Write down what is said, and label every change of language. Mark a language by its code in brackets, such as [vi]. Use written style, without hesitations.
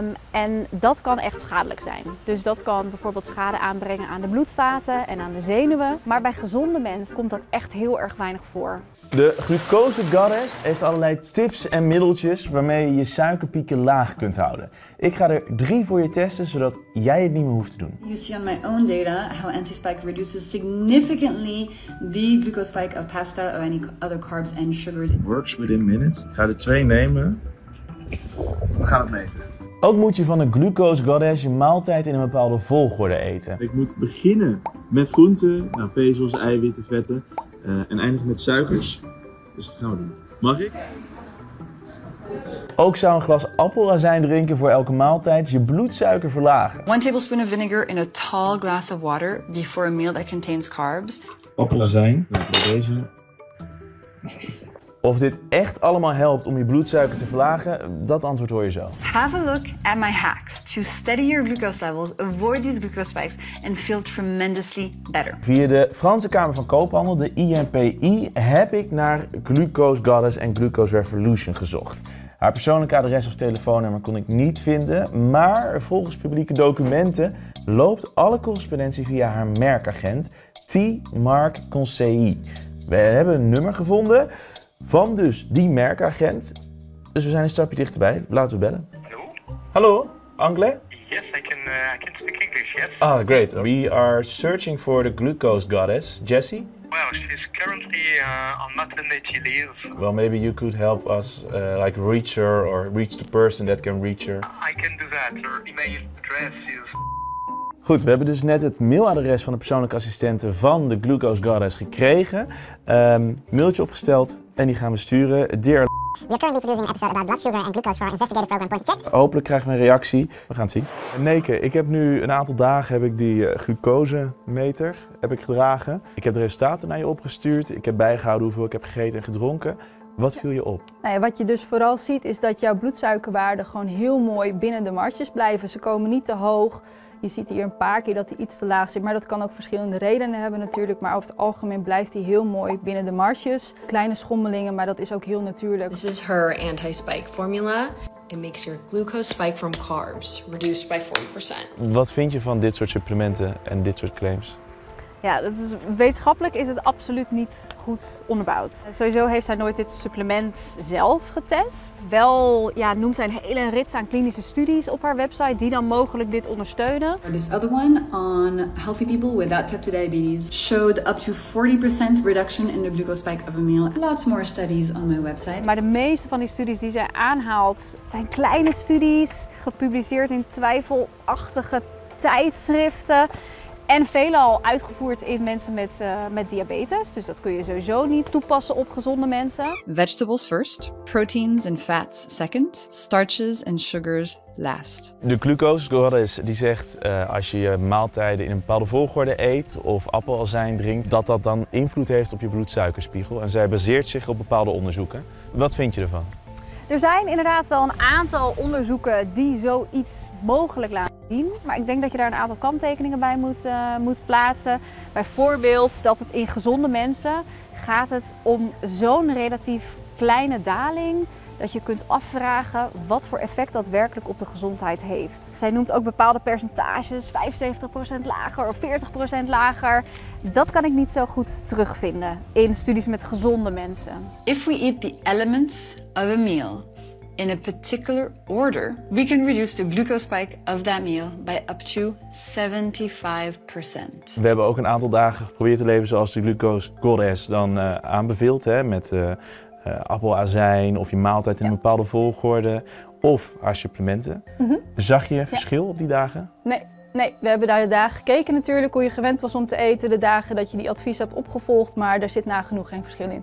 [nl] En dat kan echt schadelijk zijn. Dus dat kan bijvoorbeeld schade aanbrengen aan de bloedvaten en aan de zenuwen. Maar bij gezonde mensen komt dat echt heel erg weinig voor. De Glucose Goddess heeft allerlei tips en middeltjes waarmee je je suikerpieken laag kunt houden. Ik ga er 3 voor je testen, zodat jij het niet meer hoeft te doen. [en] You see on my own data how anti-spike reduces significantly the glucose spike of pasta or any other carbs and sugars. It works within minutes. [nl] Ik ga er 2 nemen. We gaan het meten. Ook moet je van de Glucose Goddess je maaltijd in een bepaalde volgorde eten. Ik moet beginnen met groenten, nou, vezels, eiwitten, vetten en eindigen met suikers. Dus dat gaan we doen. Mag ik? Ook zou een glas appelazijn drinken voor elke maaltijd je bloedsuiker verlagen. [en] 1 tablespoon of vinegar in a tall glass of water before a meal that contains carbs. [nl] Appelazijn, laten we deze. Of dit echt allemaal helpt om je bloedsuiker te verlagen, dat antwoord hoor je zelf. [en] Have a look at my hacks to steady your glucose levels, avoid these glucose spikes and feel tremendously better. [nl] Via de Franse Kamer van Koophandel, de INPI, heb ik naar Glucose Goddess en Glucose Revolution gezocht. Haar persoonlijke adres of telefoonnummer kon ik niet vinden, maar volgens publieke documenten loopt alle correspondentie via haar merkagent T. Mark Conseil. We hebben een nummer gevonden. Van dus die merkagent. Dus we zijn een stapje dichterbij. Laten we bellen. Hallo? Hallo, Angle? [en] Yes, I can speak English, yes. Ah, great. We are searching for the glucose goddess, Jessie. Well, she's currently on maternity leave. Well, maybe you could help us like reach her or reach the person that can reach her. I can do that. Her email address is... [nl] Goed, we hebben dus net het mailadres van de persoonlijke assistente van de Glucose Goddess gekregen. Mailtje opgesteld en die gaan we sturen. Dear... [en] We are currently producing an episode about blood sugar and glucose for our investigative program Point to Check. [nl] Hopelijk krijgen we een reactie. We gaan het zien. Neke, ik heb nu een aantal dagen heb ik die glucosemeter heb ik gedragen. Ik heb de resultaten naar je opgestuurd. Ik heb bijgehouden hoeveel ik heb gegeten en gedronken. Wat viel je op? Nee, wat je dus vooral ziet is dat jouw bloedsuikerwaarden gewoon heel mooi binnen de marges blijven. Ze komen niet te hoog. Je ziet hier een paar keer dat hij iets te laag zit, maar dat kan ook verschillende redenen hebben natuurlijk. Maar over het algemeen blijft hij heel mooi binnen de marges. Kleine schommelingen, maar dat is ook heel natuurlijk. [en] This is her anti-spike formula. It makes your glucose spike from carbs reduced by 40%. [nl] Wat vind je van dit soort supplementen en dit soort claims? Ja, dat is, wetenschappelijk is het absoluut niet goed onderbouwd. Sowieso heeft zij nooit dit supplement zelf getest. Wel ja, noemt zij een hele rits aan klinische studies op haar website die dan mogelijk dit ondersteunen. [en] This other one on healthy people without type 2 diabetes showed up to 40% reduction in the glucose spike of a meal. Lots more studies on my website. [nl] Maar de meeste van die studies die zij aanhaalt zijn kleine studies, gepubliceerd in twijfelachtige tijdschriften. En veelal uitgevoerd in mensen met diabetes. Dus dat kun je sowieso niet toepassen op gezonde mensen. [en] Vegetables first, proteins and fats second, starches and sugars last. [nl] De Glucose Goddess die zegt als je je maaltijden in een bepaalde volgorde eet of appelazijn drinkt, dat dat dan invloed heeft op je bloedsuikerspiegel. En zij baseert zich op bepaalde onderzoeken. Wat vind je ervan? Er zijn inderdaad wel een aantal onderzoeken die zoiets mogelijk laten zien. Maar ik denk dat je daar een aantal kanttekeningen bij moet plaatsen. Bijvoorbeeld dat het in gezonde mensen gaat het om zo'n relatief kleine daling. Dat je kunt afvragen wat voor effect dat werkelijk op de gezondheid heeft. Zij noemt ook bepaalde percentages, 75% lager of 40% lager. Dat kan ik niet zo goed terugvinden in studies met gezonde mensen. [en] If we eat the elements of a meal in a particular order, we can reduce the glucose spike of that meal by up to 75%. [nl] We hebben ook een aantal dagen geprobeerd te leven zoals de Glucose Goddess dan aanbeveelt, hè, met appelazijn of je maaltijd in een bepaalde volgorde of haar supplementen. Mm-hmm. Zag je verschil op die dagen? Nee, we hebben daar de dagen gekeken natuurlijk, hoe je gewend was om te eten, de dagen dat je die advies hebt opgevolgd, maar daar zit nagenoeg geen verschil in.